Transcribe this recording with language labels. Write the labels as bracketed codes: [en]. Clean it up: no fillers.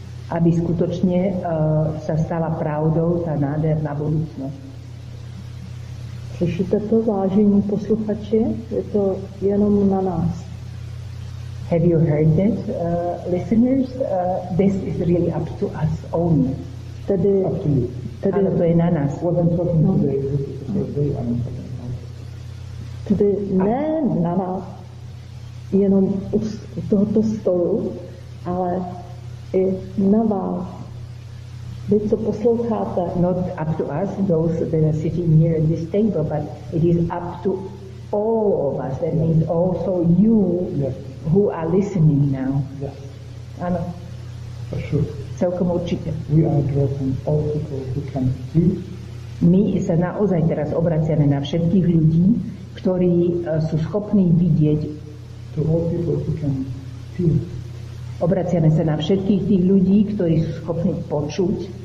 [sk] Aby skutočne sa stala pravdou tá nádherná budúcnosť. [cs] Slyšíte to, vážení posluchači? Je to jenom na nás. [en] Have you heard that, listeners? This is really up to us only. [cs] Tedy, [en] up to you. [cs] Tedy, ano, to je na nás. [en] What I'm talking no. today, this is the first day. [cs] Tedy ne na nás, jenom u tohoto stolu, ale i na vás. Vy, co posloucháte. [en] Not up to us, those that are sitting here at this table, but it is up to all of us. That means also you who are listening now. Yes. [cs] Ano. [en] For sure. [sk] Celkom určite. [en] We are addressing all people who can see. [sk] My sa naozaj teraz obraciame na všetkých ľudí, ktorí sú schopní vidieť. [en] To all people who can feel. [sk] Obraciame sa na všetkých tých ľudí, ktorí sú schopní počuť.